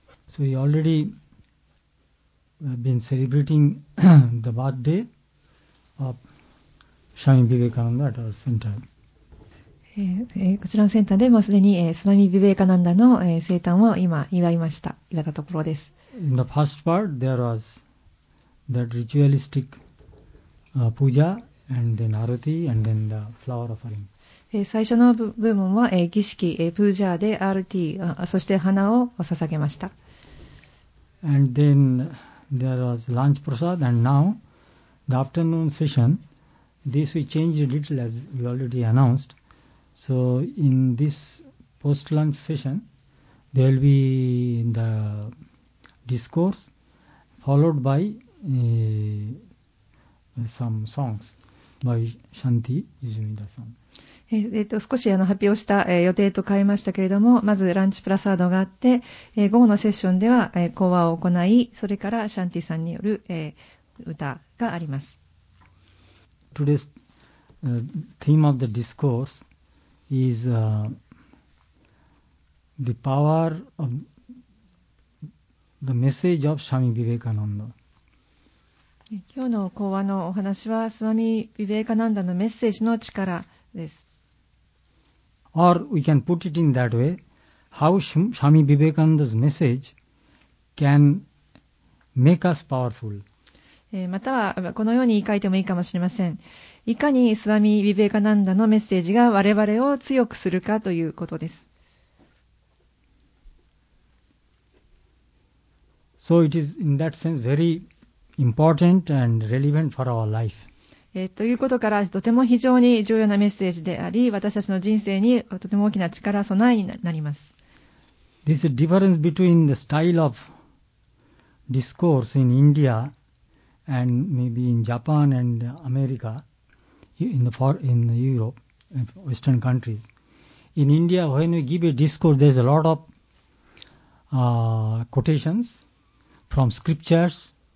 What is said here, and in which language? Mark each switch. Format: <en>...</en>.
<en>So you already been celebrating the birthday of Swami Vivekananda at our center。</en> <ja>こちらのセンターでもすでに、スワミ・ビベーカナンダの、生誕を今祝いました、祝ったところです。</ja> <en>In the first part there was that ritualistic puja and then arati and then the flower offering。</en> <ja>最初の部門は、儀式、プージャーでアルティ、そして花を捧げました。</ja> <en>And then there was lunch prasad and now the afternoon session。 This we changed a little as we already announced。 So in this post-lunch session, There will be the discourse followed by some songs by Shanti Izumida-san.</en> <ja>少し発表した予定と変えましたけれども、まずランチプラサードがあって、午後のセッションでは講話を行い、それからシャンティさんによる歌があります。</ja> <en>Today's theme of the discourse is the power of the message of Swami Vivekananda。</en> <ja>今日の講話のお話はスワミ・ヴィヴェーカナンダのメッセージの力です。</ja> <en>Or we can put it in that way, how Swami Vivekananda's message can make us powerful.</en> <ja>またはこのように書いてもいいかもしれません。いかにスワミ・ヴィヴェーカナンダのメッセージが我々を強くするかということです。</ja> <en>So it is in that sense very important and relevant for our life.</en> <ja>ということからとても非常に重要なメッセージであり、私たちの人生にとても大きな力備えになります。</ja> <en>This is difference between the style of discourse in India and maybe in Japan and America in the Europe and Western countries. In India, when we give a discourse, there is a lot of quotations from scriptures.</en>